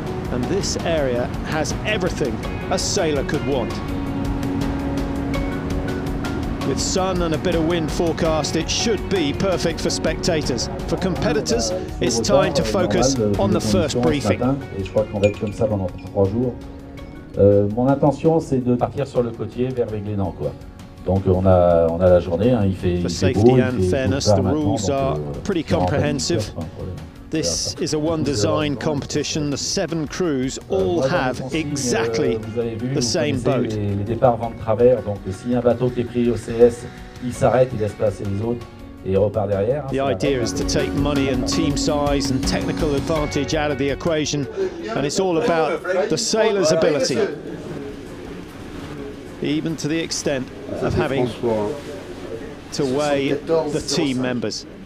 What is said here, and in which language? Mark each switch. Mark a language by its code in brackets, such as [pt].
[en] And this area has everything a sailor could want. With sun and a bit of wind forecast, it should be perfect for spectators. For competitors, it's time to focus on the first briefing. [fr] Et je crois qu'on va être comme ça pendant 3 jours. Mon intention, c'est de partir sur le côtier vers les Glénans, quoi. Donc on a la journée, hein. Il fait beau, il fait fairness, donc, [en] pretty comprehensive. This is a one-design competition. The seven crews all have exactly the same boat. [fr] Les départs vont de travers, donc si un bateau qui est pris au CS, il s'arrête, il laisse passer les autres et repart derrière. [en] The idea is to take money and team size and technical advantage out of the equation, and it's all about the sailor's ability, even to the extent of having to weigh the team members.